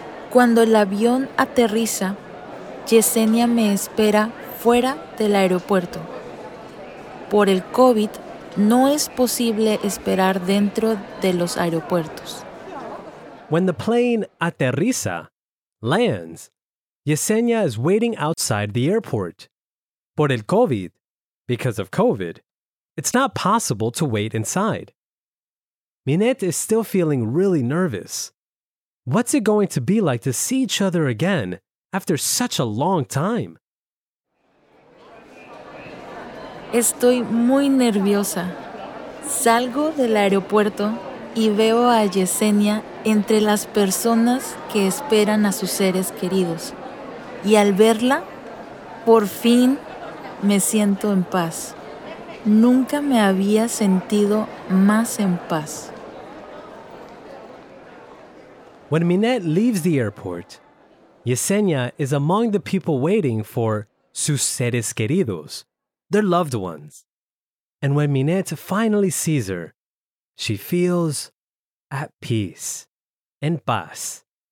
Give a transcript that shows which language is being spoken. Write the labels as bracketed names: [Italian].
[Spanish] Cuando el avión aterriza, Yesenia me espera fuera del aeropuerto. Por el COVID, no es posible esperar dentro de los aeropuertos. [English] When the plane aterriza, lands, Yesenia is waiting outside the airport. [Spanish] Por el COVID, [English] because of COVID, it's not possible to wait inside. Minette is still feeling really nervous. What's it going to be like to see each other again after such a long time? [Spanish] Estoy muy nerviosa. Salgo del aeropuerto y veo a Yesenia entre las personas que esperan a sus seres queridos. Y al verla, por fin me siento en paz. Nunca me había sentido más en paz. [English] When Minette leaves the airport, Yesenia is among the people waiting for [Spanish] sus seres queridos, [English] their loved ones. And when Minette finally sees her, she feels at peace, [Spanish] en paz.